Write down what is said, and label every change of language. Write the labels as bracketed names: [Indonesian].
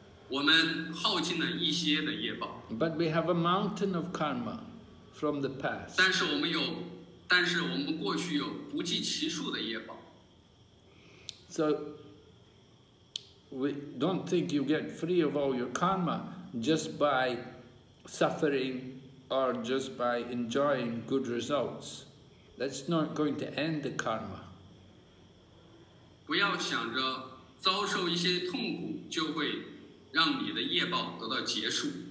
[Chinese] 我们耗尽了一些的业报。 [English] But we have a mountain of karma from the past. [Chinese] 但是我们过去有不计其数的业报。 [English] So, we don't think you get free of all your karma just by suffering or just by enjoying good results. That's not going to end the karma. [Chinese] 不要想着遭受一些痛苦就会让你的业报得到结束。